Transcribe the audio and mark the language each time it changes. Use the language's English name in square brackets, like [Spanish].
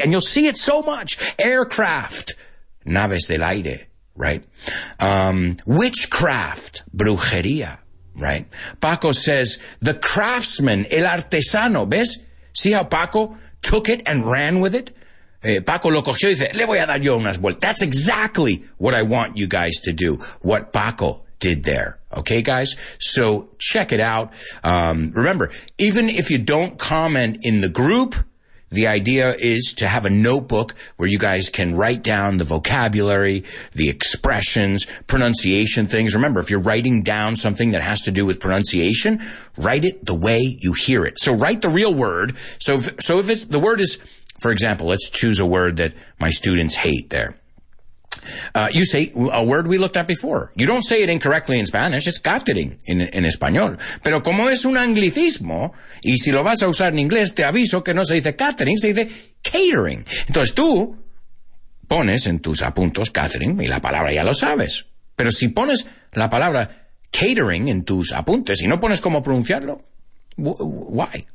[English] And you'll see it so much. Aircraft, [Spanish] naves del aire, [English] right? Witchcraft, brujería, right? Paco says, the craftsman, [Spanish] el artesano, ¿ves? [English] See how Paco took it and ran with it? [Spanish] Paco lo cogió y dice, le voy a dar yo unas vueltas. [English] That's exactly what I want you guys to do, what Paco did there. Okay, guys? So check it out. Remember, even if you don't comment in the group, the idea is to have a notebook where you guys can write down the vocabulary, the expressions, pronunciation things. Remember, if you're writing down something that has to do with pronunciation, write it the way you hear it. So write the real word. So if it's, the word is, for example, let's choose a word that my students hate there. You say a word we looked at before. You don't say it incorrectly in Spanish. It's gathering in español. [Spanish] Pero como es un anglicismo, y si lo vas a usar en inglés, te aviso que no se dice gathering, se dice catering. Entonces tú pones en tus apuntes gathering y la palabra ya lo sabes. Pero si pones la palabra catering en tus apuntes y no pones cómo pronunciarlo, why?